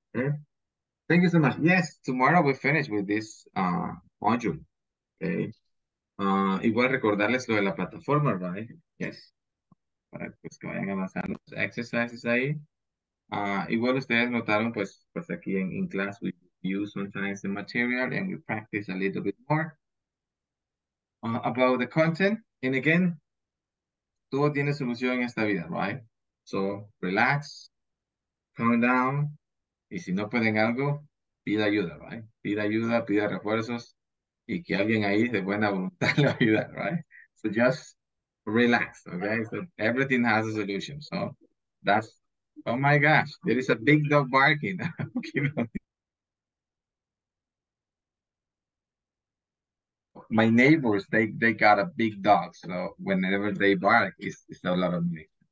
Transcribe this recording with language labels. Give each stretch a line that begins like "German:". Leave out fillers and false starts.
English: Okay. Thank you so much. Yes, tomorrow we finish with this module.
Spanish: Okay. Igual recordarles lo de la plataforma, right? Yes. Para pues, que vayan avanzando los exercises ahí. Igual ustedes notaron, pues aquí en
English: class, we use sometimes the material and we practice a little bit more about the content. And again,
Spanish: todo tiene solución en esta vida, right?
English: So, relax, calm down,
Spanish: y si no pueden algo, pida ayuda, right? Pida ayuda, pida refuerzos, y que alguien ahí de buena voluntad le ayude, right?
English: So, just relax, okay? So, everything has a solution. So, that's, oh my gosh, there is a big dog barking. My neighbors, they got a big dog, so whenever they bark, it's a lot of me.